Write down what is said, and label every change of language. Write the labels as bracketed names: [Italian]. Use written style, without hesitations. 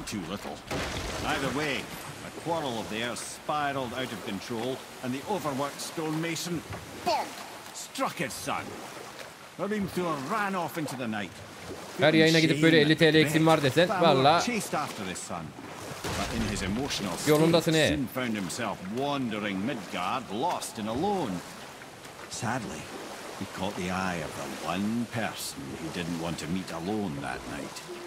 [English] Either way, a quarrel of theirs spiraled out of control and the overworked stonemason bonk struck his son. Harimthur ran off into the night. [Turkish] Her yayına gidip böyle 50 TL eksiğim var desen vallahi. [English] But in his emotional state, Sin found himself wandering Midgard, lost and alone. Sadly, he caught the eye of the one person he didn't want to meet alone that night.